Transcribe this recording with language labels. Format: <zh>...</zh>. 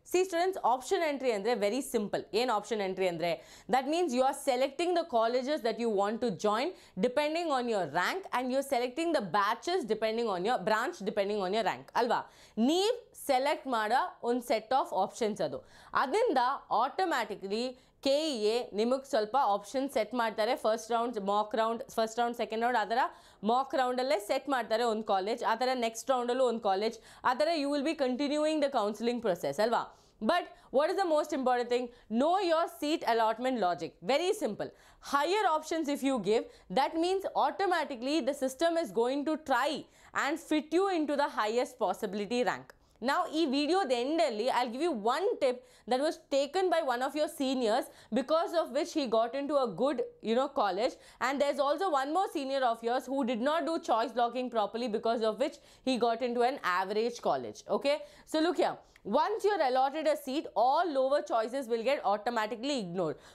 <en>See students, option entry andre very simple.</en> <kn>Yen option entry andre,</kn> <en>that means you are selecting the colleges that you want to join depending on your rank, and you're selecting the batches depending on your branch, depending on your rank</en> <kn>alva. Neev select maada on set of options adu, adinda automatically K A ನಿಮಗೆ ಸ್ವಲ್ಪ option set ಮಾಡ್ತಾರೆ. First round Mach round, first round second round, ಆ ಥರ Mach ರೌಂಡಲ್ಲೇ set ಮಾಡ್ತಾರೆ ಒಂದು college, ಆ ಥರ next ರೌಂಡಲ್ಲೂ ಒಂದು ಕಾಲೇಜ್, ಆ ಥರ</kn> <en>you will be continuing the counselling process</en> <kn>ಅಲ್ವಾ.</kn> <en>But what is the most important thing, know your seat allotment logic. Very simple, higher options if you give, that means automatically the system is going to try and fit you in to the highest possibility rank. Now,</en> <kn>ee video the end alli,</kn> <en>I'll give you one tip that was taken by one of your seniors, because of which he got into a good, you know, college. And there's also one more senior of yours who did not do choice locking properly, because of which he got into an average college. Okay, so look here, once you're allotted a seat, all lower choices will get automatically ignored.</en>